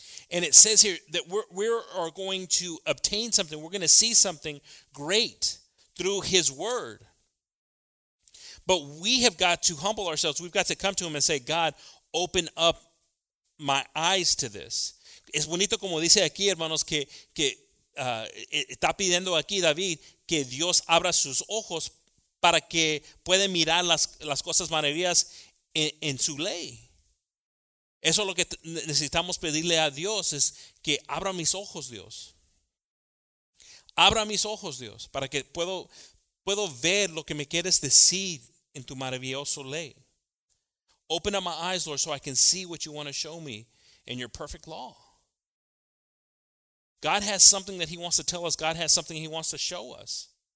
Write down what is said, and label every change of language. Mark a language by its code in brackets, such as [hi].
[en] And it says here that we're going to obtain something. We're going to see something great through his word. But we have got to humble ourselves. We've got to come to him and say, God, open up my eyes to this. [es] Es bonito como dice aquí, hermanos, que está pidiendo aquí David que Dios abra sus ojos para que pueda mirar las cosas maravillas en su ley. Eso es lo que necesitamos pedirle a Dios, es que abra mis ojos, Dios. Abra mis ojos, Dios, para que puedo ver lo que me quieres decir en tu maravilloso ley. [en] Open up my eyes, Lord, so I can see what you want to show me in your perfect law. God has something that he wants to tell us. God has something he wants to show us.